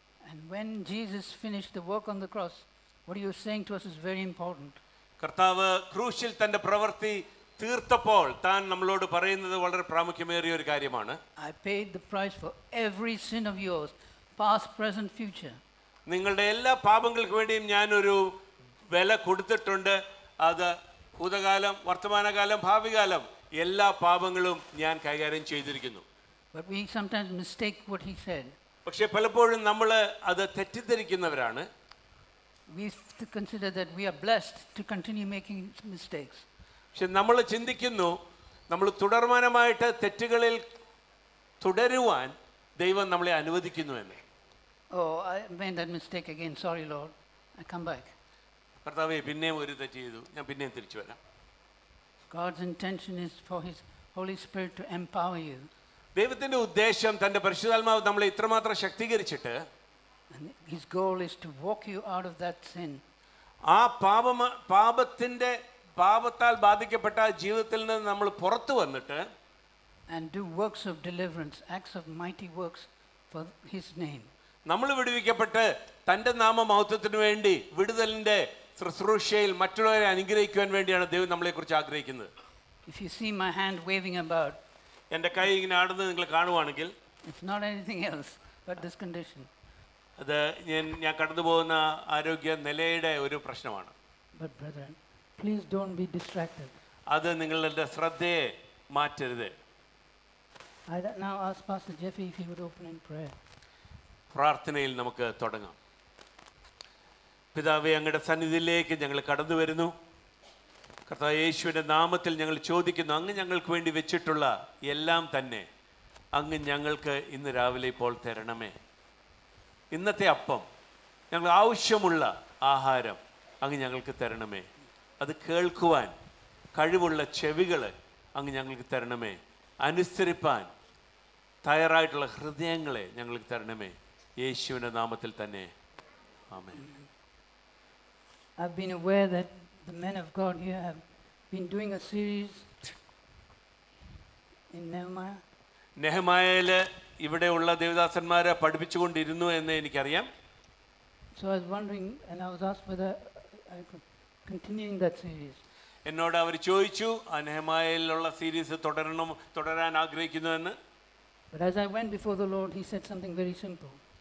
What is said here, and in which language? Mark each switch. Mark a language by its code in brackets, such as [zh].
[en] And when Jesus finished the work on the cross, what he was saying to us is very important. [ml] കർത്താവേ ക്രൂശിൽ തന്റെ പ്രവൃത്തി തീർത്തപ്പോൾ താൻ നമ്മളോട് പറയുന്നത് വളരെ പ്രാമുഖ്യമേറിയ ഒരു കാര്യമാണ്. [en] I paid the price for every sin of yours, past, present, future. [ml] നിങ്ങളുടെ എല്ലാ പാപങ്ങൾക്കും വേണ്ടിയും ഞാൻ ഒരു വില കൊടുത്തിട്ടുണ്ട്. അത് ഭൂതകാലം, വർത്തമാനകാലം, ഭാവികാലം എല്ലാ പാപങ്ങളും ഞാൻ കൈകാര്യം ചെയ്തിരിക്കുന്നു. [en] But we sometimes mistake what he said. [ml] പക്ഷേ പലപ്പോഴും നമ്മൾ അത് തെറ്റിദ്ധരിക്കുന്നവരാണ്. [en] We consider that we are blessed to continue making mistakes. [ml] പക്ഷേ നമ്മൾ ചിന്തിക്കുന്നു നമ്മൾ തുടർമാനമായിട്ട് തെറ്റുകളിൽ തുടരുവാൻ ദൈവം നമ്മളെ അനുവദിക്കുന്നു എന്ന്. [en] Oh, I made that mistake again. Sorry, Lord. I come back. [ml] കർത്താവേ പിന്നെയും ഒരു തെറ്റ് ചെയ്തു, ഞാൻ പിന്നെയും തിരിച്ചു വരാം. [en] God's intention is for his Holy Spirit to empower you. [ml] ദൈവത്തിന്റെ ഉദ്ദേശം തന്റെ പരിശുദ്ധാത്മാവ് നമ്മളെ ഇത്രമാത്രം ശക്തീകരിച്ചിട്ട് [en] his goal is to walk you out of that sin. [ml] ആ പാപം, പാപത്തിന്റെ, പാപത്താൽ ബാധിക്കപ്പെട്ട ജീവിതത്തിൽ നിന്ന് നമ്മൾ പുറത്തു വന്നിട്ട് [en] and do works of deliverance, acts of mighty works for his name. [ml] നമ്മൾ വിടുവിക്കപ്പെട്ട് തന്റെ നാമമഹത്വത്തിനു വേണ്ടി വിടുതലിന്റെ ശുശ്രൂഷയിൽ മറ്റുള്ളവരെ അനുഗ്രഹിക്കാൻ വേണ്ടിയാണ് ദൈവം നമ്മളെ കുറിച്ച് ആഗ്രഹിക്കുന്നത്. [en] If you see my hand waving about, [ml] എന്റെ കൈ ഇങ്ങനെ ആടുന്നത് നിങ്ങൾ കാണുവാണെങ്കിൽ [en] it's not anything else but this condition. [ml] അത് ഞാൻ കടന്നുപോകുന്ന ആരോഗ്യ നിലയുടെ ഒരു പ്രശ്നമാണ്. [en] But brethren, please don't be distracted. [ml] അത് നിങ്ങളുടെ ശ്രദ്ധയെ മാറ്റരുത്. [en] I now ask Pastor Jeffy if he would open in prayer. [ml] പ്രാർത്ഥനയിൽ നമുക്ക് തുടങ്ങാം. പിതാവേ അങ്ങയുടെ സന്നിധിയിലേക്ക് ഞങ്ങൾ കടന്നു വരുന്നു. കർത്താവേ യേശുവിൻ്റെ നാമത്തിൽ ഞങ്ങൾ ചോദിക്കുന്നു, അങ്ങ് ഞങ്ങൾക്ക് വേണ്ടി വെച്ചിട്ടുള്ള എല്ലാം തന്നെ അങ്ങ് ഞങ്ങൾക്ക് ഇന്ന് രാവിലെ ഇപ്പോൾ തരണമേ. ഇന്നത്തെ അപ്പം, ഞങ്ങൾ ആവശ്യമുള്ള ആഹാരം അങ്ങ് ഞങ്ങൾക്ക് തരണമേ. അത് കേൾക്കുവാൻ കഴിവുള്ള ചെവികൾ അങ്ങ് ഞങ്ങൾക്ക് തരണമേ. അനുസരിപ്പാൻ തയ്യാറായിട്ടുള്ള ഹൃദയങ്ങളെ ഞങ്ങൾക്ക് തരണമേ. യേശുവിൻ്റെ നാമത്തിൽ തന്നെ ആമേൻ. [en] I've been aware that the men of God here have been doing a series in Nehemiah. [ml] ഇവിടെ ഉള്ള ദേവദാസന്മാരെ പഠിപ്പിച്ചുകൊണ്ടിരുന്നു എന്ന് എനിക്കറിയാം. [en] So I was wondering and I was asked whether I could continue that series. [ml] എന്നോട് അവർ ചോദിച്ചു നെഹെമയയിലുള്ള സീരീസ് തുടരണം, തുടരാൻ ആഗ്രഹിക്കുന്നു എന്ന്. [en] But as I went before the Lord, he said something very simple.